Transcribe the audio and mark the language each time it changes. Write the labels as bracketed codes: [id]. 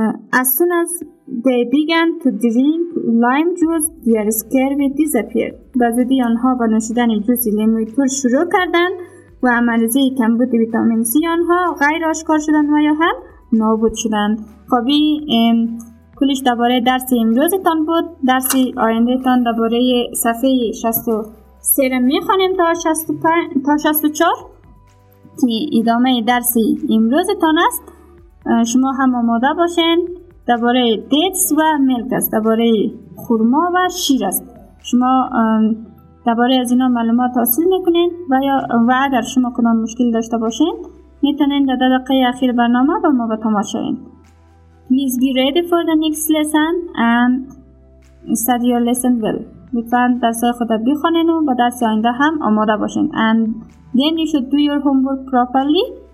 [en] As soon as they began to drink lime juice, their scurvy disappeared. [fa] بعضی آنها با نوشیدن جوس لیموی ترش شروع کردند و مریضی کمبود ویتامین سی آنها غیر آشکار شدند و یا هم نابود شدند. خوبی کلش درباره درس امروزتان بود. درس آینده تان درباره صفحه 63 را میخوانیم تا 64 که ادامه درس امروزتان است. شما هم آماده باشین. درباره دیتس و ملک است. درباره خورما و شیر است. شما درباره از اینا معلومات حاصل میکنین و اگر شما کدام مشکل داشته باشین میتونین در دقیقه اخیر برنامه با ما به تماس شوین. [en] Please be ready for the next lesson and study your lesson well. [fa] لطفاً درسای خود را بخونین و با درس آینده هم آماده باشین. [en] And then you should do your homework properly.